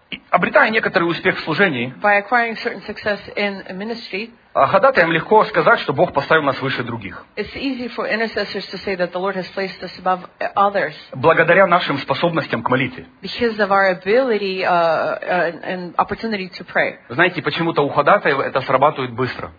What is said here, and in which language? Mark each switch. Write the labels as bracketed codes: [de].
[ru] обретая некоторый успех в служении, [en] by acquiring certain success in a ministry, [ru] ходатаям легко сказать, что Бог поставил нас выше других. [en] It's easy for intercessors to say that the Lord has placed us above others. [ru] Благодаря нашим способностям к молитве. [en] Because of our ability and opportunity to pray. [ru] Знаете, почему-то у ходатаев это срабатывает быстро.